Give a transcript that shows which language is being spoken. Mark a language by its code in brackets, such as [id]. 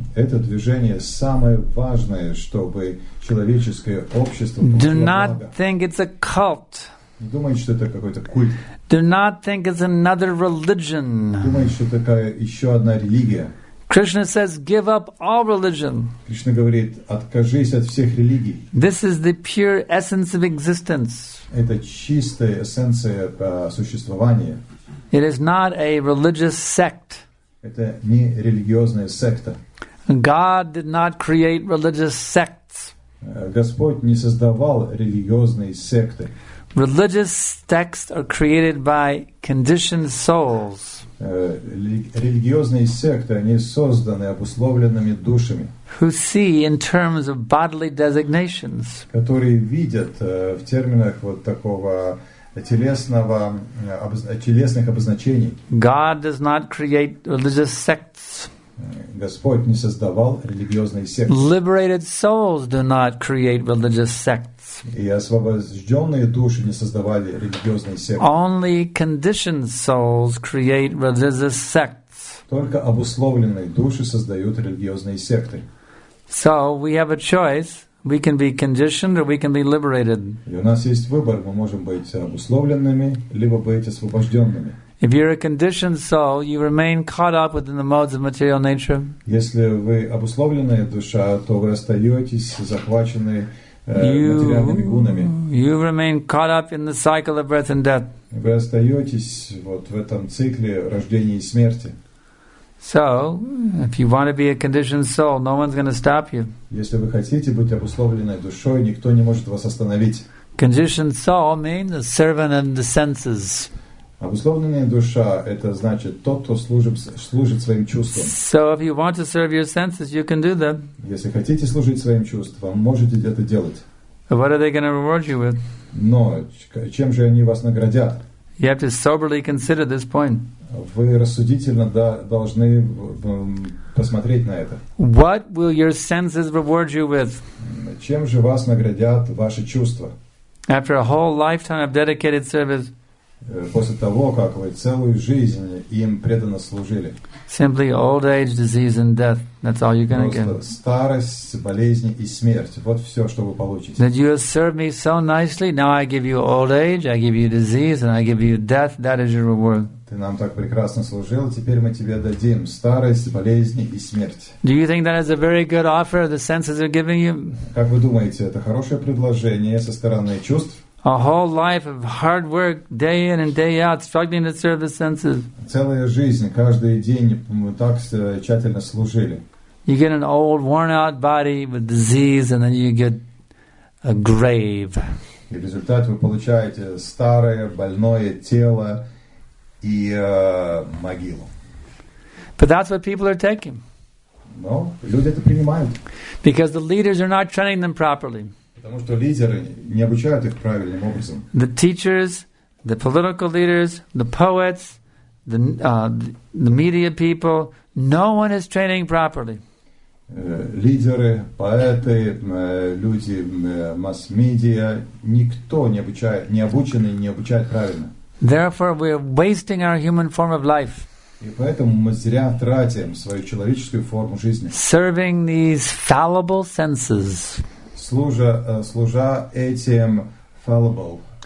[ru] Это движение самое важное, чтобы человеческое общество получило благо. [en] Do not think it's a cult. [ru] Не думайте, что это какой-то культ. [en] Do not think it's another religion. [ru] Не думайте, что это еще одна религия. [en] Krishna says, give up all religion. [ru] Кришна говорит, откажись от всех религий. [en] This is the pure essence of existence. [ru] Это чистая эссенция существования. [en] It is not a religious sect. [ru] Это не религиозная секта. [en] God did not create religious sects. [ru] Господь не создавал религиозные секты. [en] Religious sects are created by conditioned souls. [ru] Религиозные секты, они созданы обусловленными душами, [en] who see in terms of bodily designations, [ru] которые видят в терминах вот такого телесного телесных обозначений. [en] God does not create religious sects. [ru] Господь не создавал религиозные секты. [en] Liberated souls do not create religious sects. [ru] И освобожденные души не создавали религиозные секты. [en] Only conditioned souls create religious sects. [ru] Только обусловленные души создают религиозные секты. [en] So we have a choice. We can be conditioned or we can be liberated. [ru] И у нас есть выбор. Мы можем быть обусловленными, либо быть освобожденными. [en] If you're a conditioned soul, you remain caught up within the modes of material nature. [ru] Если вы обусловленная душа, то вы остаетесь захвачены материальными гунами. [en] You remain caught up in the cycle of birth and death. [ru] Вы остаетесь вот в этом цикле рождения и смерти. [en] So, if you want to be a conditioned soul, no one's going to stop you. [ru] Если вы хотите быть обусловленной душой, никто не может вас остановить. [en] Conditioned soul means a servant of the senses. [ru] Обусловленная душа — это значит тот, кто служит своим чувствам. [en] So if you want to serve your senses, you can do that. [ru] Если хотите служить своим чувствам, можете это делать. [en] What are they going to reward you with? [ru] Но чем же они вас наградят? [en] You have to soberly consider this point. [ru] Вы рассудительно должны посмотреть на это. [en] What will your senses reward you with? [ru] Чем же вас наградят ваши чувства? [en] After a whole lifetime of dedicated service. [ru] После того, как вы целую жизнь им преданно служили. [en] Simply old age, disease and death. That's all you're going to get. [ru] Старость, болезни и смерть. Вот все, что вы получите. [en] That you have served me so nicely. Now I give you old age, I give you disease, and I give you death. That is your reward. [ru] Ты нам так прекрасно служил. Теперь мы тебе дадим старость, болезни и смерть. [en] Do you think that is a very good offer the senses are giving you? [ru] Как вы думаете, это хорошее предложение со стороны чувств? [en] A whole life of hard work, day in and day out, struggling to serve the senses. [ru] Целая жизнь, каждый день мы так тщательно служили. [en] You get an old, worn-out body with disease, and then you get a grave. [ru] И в результате вы получаете старое, больное тело и могилу. [en] But that's what people are taking. [ru] Но люди это принимают. [en] Because the leaders are not training them properly. [ru] Потому что лидеры не обучают их правильным образом. [en] The teachers, the political leaders, the poets, the media people, no one is training properly. [ru] Лидеры, поэты, люди масс-медиа, никто не обучает, не обученный, не обучает правильно. [en] Therefore, we are wasting our human form of life. [ru] И поэтому мы зря тратим свою человеческую форму жизни. [en] Serving these fallible senses. [ru] Служа этим fallible.